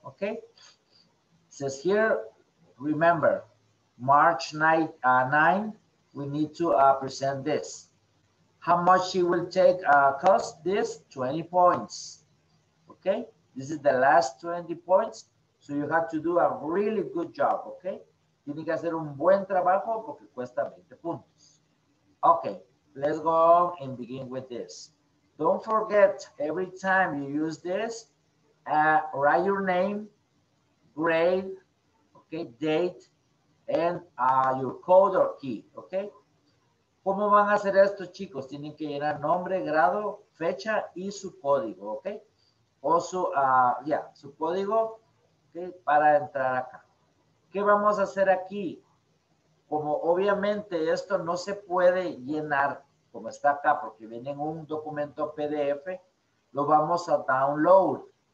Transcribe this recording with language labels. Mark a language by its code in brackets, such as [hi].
[en] Okay. It says here, remember, March 9, we need to present this. How much it will take cost this? 20 points. Okay, this is the last 20 points. So you have to do a really good job, okay? [es] Tiene que hacer un buen trabajo porque cuesta 20 puntos. [en] Okay, let's go on and begin with this. Don't forget, every time you use this, write your name, grade, okay, date, and your code or key, okay? [es] ¿Cómo van a hacer esto, chicos? Tienen que llenar nombre, grado, fecha y su código, okay? Also, su código, okay, para entrar acá. ¿Qué vamos a hacer aquí? Como obviamente esto no se puede llenar como está acá, porque viene en un documento PDF, lo vamos a download.